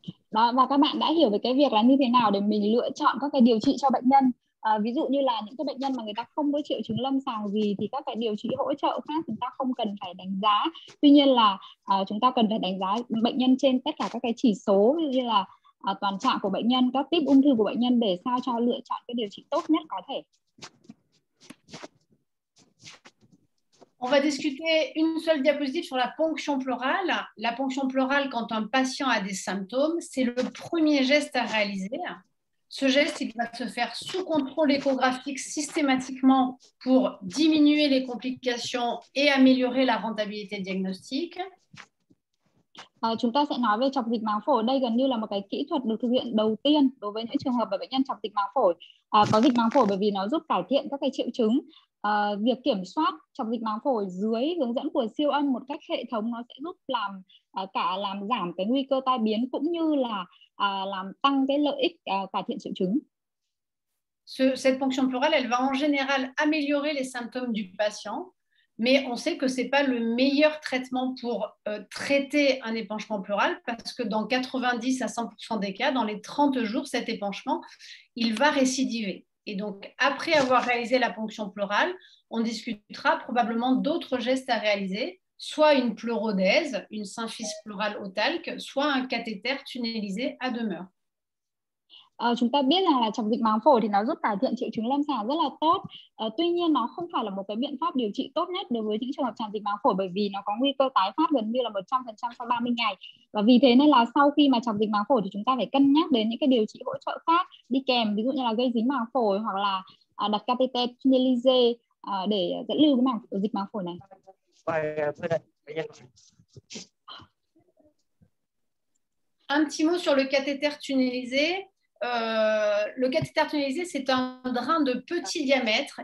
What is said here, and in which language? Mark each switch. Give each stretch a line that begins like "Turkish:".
Vietnamese: Đó, và các bạn đã hiểu về cái việc là như thế nào để mình lựa chọn các cái điều trị cho bệnh nhân. Ví dụ như là những cái bệnh nhân mà người ta không có triệu chứng lâm sàng gì thì các cái điều trị hỗ trợ khác chúng ta không cần phải đánh giá. Tuy nhiên là chúng ta cần phải đánh giá bệnh nhân trên tất cả các cái chỉ số, ví dụ như là toàn trạng của bệnh nhân, các típ ung thư của bệnh nhân để sao cho lựa chọn cái điều trị tốt nhất có thể.
French: On va discuter une seule diapositive sur la ponction pleurale. La ponction pleurale, quand un patient a des symptômes, c'est le premier geste à réaliser. Ce geste, il va se faire sous contrôle échographique systématiquement pour diminuer les complications et améliorer la rentabilité diagnostique.
Vietnamese: Chúng ta sẽ nói về chọc dịch màng phổi. Đây gần như là một cái kỹ thuật được thực hiện đầu tiên đối với những trường hợp bệnh nhân chọc dịch màng phổi. Có dịch màng phổi bởi vì nó giúp cải thiện các cái triệu chứng. Việc kiểm soát chọc dịch màng phổi dưới hướng dẫn của siêu âm một cách hệ thống nó sẽ giúp làm giảm cái nguy cơ tai biến cũng như là làm tăng cái lợi ích cải thiện triệu chứng.
French: Cette ponction pleurale, elle va en général améliorer les symptômes du patient. mais on sait que ce n'est pas le meilleur traitement pour traiter un épanchement pleural parce que dans 90 à 100% des cas, dans les 30 jours, cet épanchement, il va récidiver. Et donc, après avoir réalisé la ponction pleurale, on discutera probablement d'autres gestes à réaliser, soit une pleurodèse, une symphyse pleurale au talc, soit un cathéter tunnelisé à demeure.
Vietnamese: Chúng ta biết rằng là trong dịch màng phổi thì nó giúp cải thiện triệu chứng lâm sàng rất là tốt. Tuy nhiên nó không phải là một cái biện pháp điều trị tốt nhất đối với những trường hợp tràn dịch màng phổi bởi vì nó có nguy cơ tái phát gần như là 100% sau 30 ngày. Và vì thế nên là sau khi mà tràn dịch màng phổi thì chúng ta phải cân nhắc đến những cái điều trị hỗ trợ khác đi kèm, ví dụ như là gây dính màng phổi hoặc là đặt cathete tunnelisé để dẫn lưu cái màng dịch màng phổi này.
French: Un petit mot sur le cathéter tunnelisé. Le cathéter tunnelisé, c'est un drain de petit diamètre.